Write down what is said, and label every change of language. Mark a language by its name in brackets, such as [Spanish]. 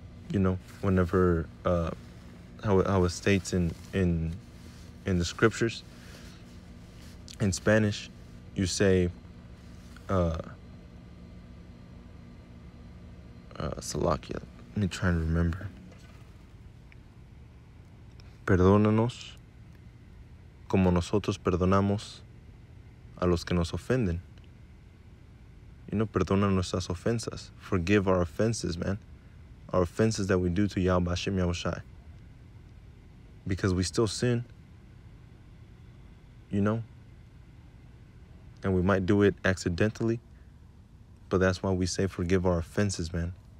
[English] You know, whenever how it states in the scriptures in Spanish, you say Salakia, let me try and remember. [Spanish] Perdónanos como nosotros perdonamos a los que nos ofenden. [English] You know, [Spanish] perdona nuestras ofensas. [English] Forgive our offenses, man. Our offenses that we do to Yahweh Hashem Yahweh Shai. Because we still sin, you know, and we might do it accidentally, but that's why we say forgive our offenses, man.